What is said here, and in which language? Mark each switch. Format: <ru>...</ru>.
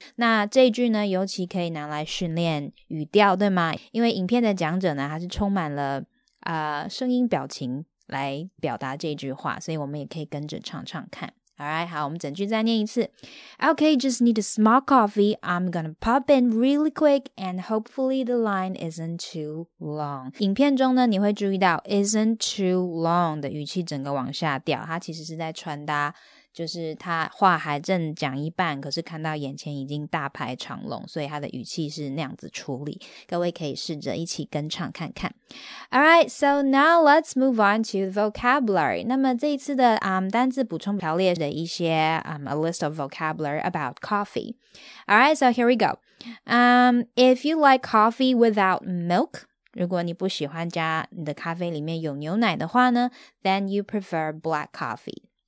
<zh>那这一句呢, 尤其可以拿来训练语调, 对吗? 因为影片的讲者呢, 它是充满了声音表情来表达这句话, 所以我们也可以跟着唱唱看。</zh> <en>Alright,</en> <zh>好，我们整句再念一次。</zh> <en>Okay, just need a small coffee. I'm gonna pop in really quick and hopefully the line isn't too long.</en> <zh>影片中呢，你会注意到</zh> <en>isn't too long</en> <zh>的语气整个往下掉，它其实是在传达就是他话还正讲一半，可是看到眼前已经大排长龙，所以他的语气是那样子处理。各位可以试着一起跟唱看看。</zh> <en>Alright, so now let's move on to the vocabulary.</en> <zh>那么这一次的单字补充条列的一些</zh> <en>a list of vocabulary about coffee. Alright, so here we go. If you like coffee without milk,</en> <zh>如果你不喜欢加你的咖啡里面有牛奶的话呢，</zh> <en>then you prefer black coffee.</en>